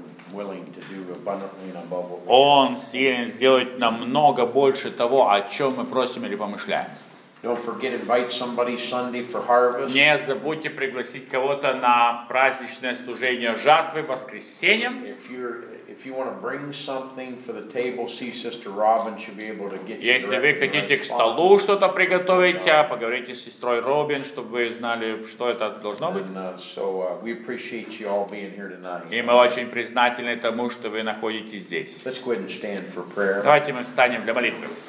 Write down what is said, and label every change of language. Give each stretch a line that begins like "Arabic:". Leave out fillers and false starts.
English: Willing to do abundantly and above all.
Russian: Он силен сделать намного больше того, о чем мы просим или помышляем.
English: Don't forget, invite somebody Sunday for harvest.
Russian: Не забудьте пригласить кого-то на праздничное служение жатвы воскресеньем.
English: If you want to bring something for the table, see Sister Robin. She'll be able to get you.
Russian: Если вы хотите к столу что-то приготовить, поговорите с сестрой Робин, чтобы вы знали, что это должно быть.
English: So we appreciate you all being here tonight.
Russian: И мы очень признательны тому, что вы находитесь здесь.
English: Let's go ahead and stand for prayer.
Russian: Давайте мы встанем для молитвы.